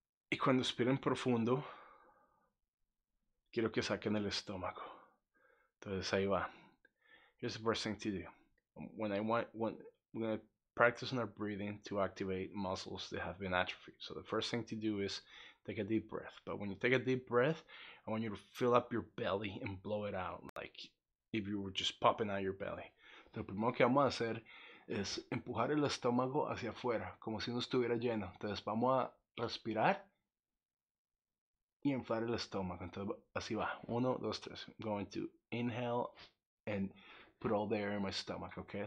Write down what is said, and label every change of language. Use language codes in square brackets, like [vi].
[es] Y cuando respiren profundo, quiero que saquen el estómago. Entonces ahí va. [en] Here's the first thing to do. We're gonna practice on our breathing to activate muscles that have been atrophied. So the first thing to do is take a deep breath. But when you take a deep breath, I want you to fill up your belly and blow it out like if you were just popping out your belly. [es] Lo primero que vamos a hacer es empujar el estómago hacia afuera, como si no estuviera lleno. Entonces vamos a respirar y inflar el estómago. Entonces así va. Uno, dos, tres. [en] Going to inhale and put all the air in my stomach, okay?